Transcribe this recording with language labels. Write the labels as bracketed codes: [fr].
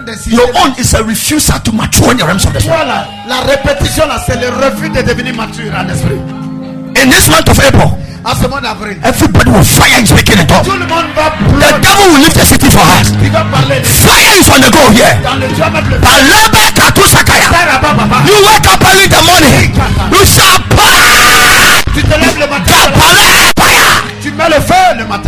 [en] Your own is a refusal to mature in the realms of the spirit. [fr] La répétition là, c'est le refus de devenir mature en esprit. [en] In this month of April, everybody will fire and speak in the top. The devil will lift the city for us. Fire is on the go here. You wake up early in the morning. You shall fire.